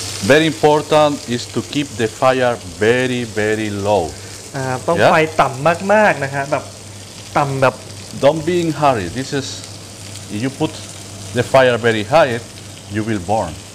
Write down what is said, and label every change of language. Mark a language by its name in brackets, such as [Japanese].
[English] Very important is to keep the fire very very low. [Thai] ต้องไฟต่ำมากๆนะฮะแบบต่ำแบบ [English] Don't be in hurry. This is, if you put the fire very high, you will burn.